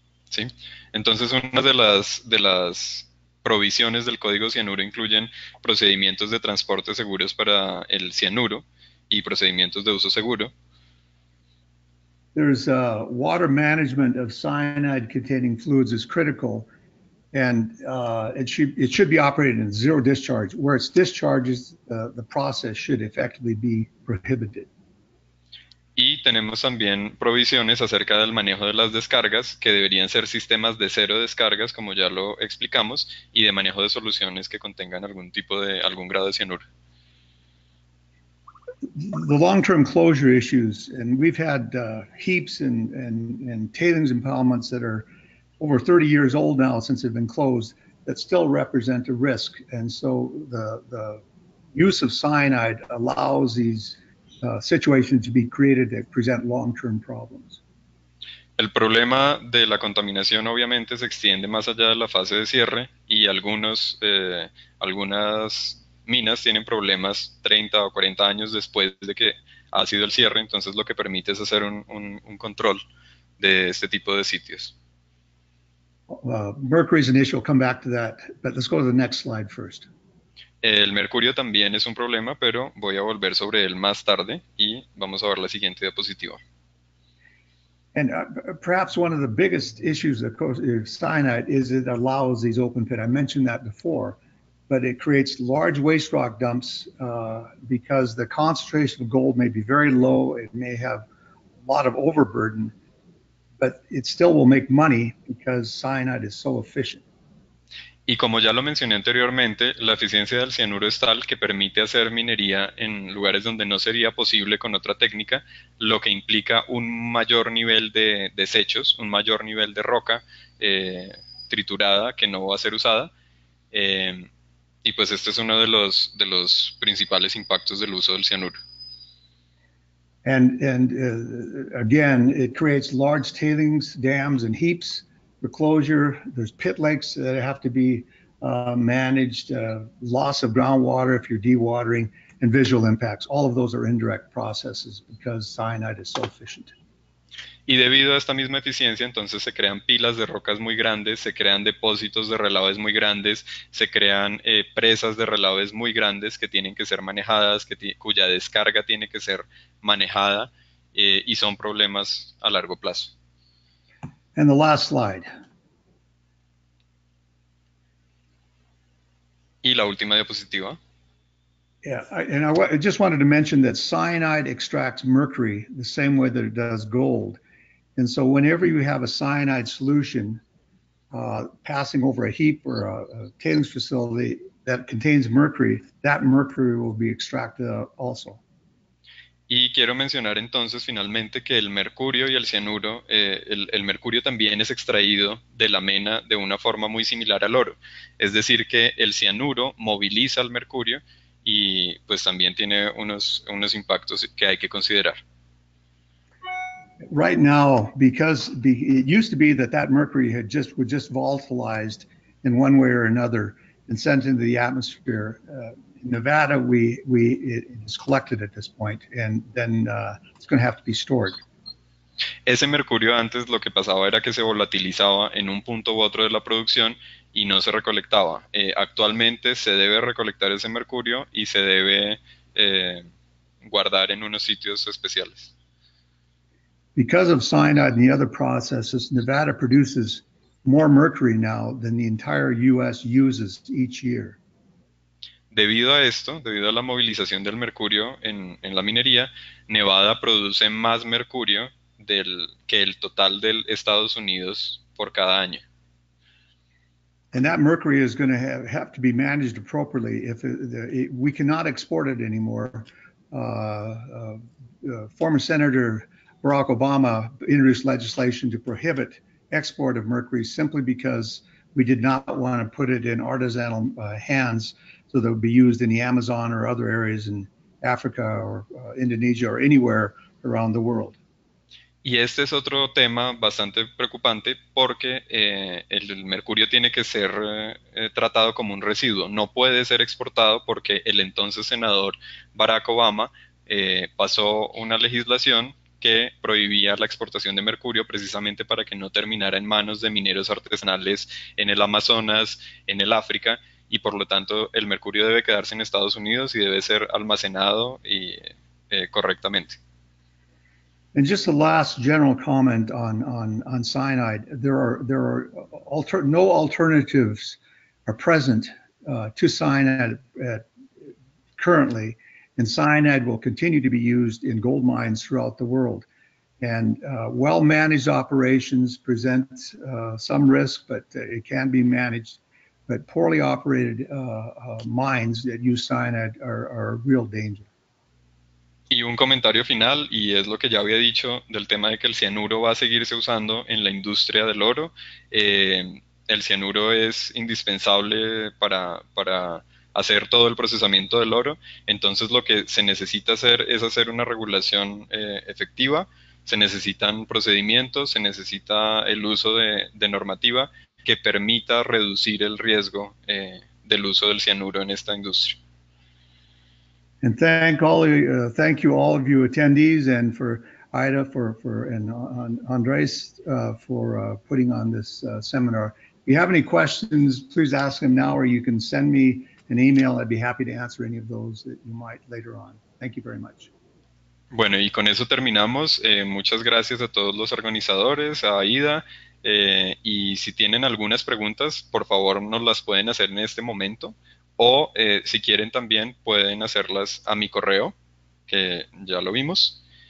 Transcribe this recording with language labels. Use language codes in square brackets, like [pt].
[es] Sí, entonces una de las provisiones del código cianuro incluyen procedimientos de transporte seguros para el cianuro y procedimientos de uso seguro. [en] There's water management of cyanide containing fluids is critical, and it should be operated in zero discharge. Where it's discharges, the process should effectively be prohibited. [es] Y tenemos también provisiones acerca del manejo de las descargas, que deberían ser sistemas de cero descargas, como ya lo explicamos, y de manejo de soluciones que contengan algún tipo de algún grado de cianuro. [en] The long-term closure issues, and we've had heaps and tailings impoundments that are over 30 years old now since they've been closed that still represent a risk. And so the use of cyanide allows these situations to be created that present long-term problems. [es] El problema de la contaminación obviamente se extiende más allá de la fase de cierre y algunas minas tienen problemas 30 o 40 años después de que ha sido el cierre, entonces lo que permite es hacer un control de este tipo de sitios. [en] Mercury's an issue, I'll come back to that, but let's go to the next slide first. [es] El mercurio también es un problema, pero voy a volver sobre él más tarde y vamos a ver la siguiente diapositiva. [en] And perhaps one of the biggest issues of cyanide is it allows these open pit. I mentioned that before, but it creates large waste rock dumps because the concentration of gold may be very low. It may have a lot of overburden, but it still will make money because cyanide is so efficient. [es] Y como ya lo mencioné anteriormente, la eficiencia del cianuro es tal que permite hacer minería en lugares donde no sería posible con otra técnica, lo que implica un mayor nivel de desechos, un mayor nivel de roca triturada que no va a ser usada. Y pues este es uno de los principales impactos del uso del cianuro. [en] And again, it creates large tailings, dams and heaps. For closure, there's pit lakes that have to be managed, loss of groundwater if you're dewatering, and visual impacts. All of those are indirect processes because cyanide is so efficient. [es] Y debido a esta misma eficiencia, entonces se crean pilas de rocas muy grandes, se crean depósitos de relaves muy grandes, se crean presas de relaves muy grandes que tienen que ser manejadas, cuya descarga tiene que ser manejada, y son problemas a largo plazo. [en] And the last slide. [es] Y la última diapositiva. [en] Yeah, I just wanted to mention that cyanide extracts mercury the same way that it does gold. And so whenever you have a cyanide solution passing over a heap or a tailings facility that contains mercury, that mercury will be extracted also. [es] Y quiero mencionar entonces finalmente que el mercurio y el cianuro, el mercurio también es extraído de la mena de una forma muy similar al oro. Es decir que el cianuro moviliza al mercurio y pues también tiene unos impactos que hay que considerar. [en] Right now, because it used to be that mercury would just volatilized in one way or another and sent into the atmosphere. Nevada, it is collected at this point, and then it's going to have to be stored. [es] Ese mercurio antes lo que pasaba era que se volatilizaba en un punto u otro de la producción y no se recolectaba. Actualmente se debe recolectar ese mercurio y se debe guardar en unos sitios especiales. [en] Because of cyanide and the other processes, Nevada produces more mercury now than the entire U.S. uses each year. [es] Debido a esto, debido a la movilización del mercurio en la minería, Nevada produce más mercurio que el total del Estados Unidos por cada año. [en] And that mercury is going to have to be managed appropriately. We cannot export it anymore. Former Senator Barack Obama introduced legislation to prohibit export of mercury simply because we did not want to put it in artisanal hands. So they'll be used in the Amazon or other areas in Africa or Indonesia or anywhere around the world. [es] Y este es otro tema bastante preocupante porque el mercurio tiene que ser tratado como un residuo, no puede ser exportado porque el entonces senador Barack Obama pasó una legislación que prohibía la exportación de mercurio precisamente para que no terminara en manos de mineros artesanales en el Amazonas, en el África, y por lo tanto el mercurio debe quedarse en Estados Unidos y debe ser almacenado y, correctamente. [en] And just a last general comment on cyanide. There are no alternatives are present to cyanide currently, and cyanide will continue to be used in gold mines throughout the world. And well-managed operations present some risk, but it can be managed. But poorly operated mines that use cyanide are a real danger. [es] Y un comentario final, y es lo que ya había dicho del tema de que el cianuro va a seguirse usando en la industria del oro. El cianuro es indispensable para hacer todo el procesamiento del oro. Entonces, lo que se necesita hacer es hacer una regulación efectiva. Se necesitan procedimientos, se necesita el uso de normativa que permita reducir el riesgo del uso del cianuro en esta industria. [en] And thank you all of you attendees, and for Ida, for and Andres for putting on this seminar. If you have any questions, please ask them now, or you can send me an email. I'd be happy to answer any of those that you might later on. Thank you very much. [es] Bueno, y con eso terminamos. Muchas gracias a todos los organizadores, a AIDA. Y si tienen algunas preguntas, por favor, nos las pueden hacer en este momento. O si quieren también, pueden hacerlas a mi correo, que ya lo vimos.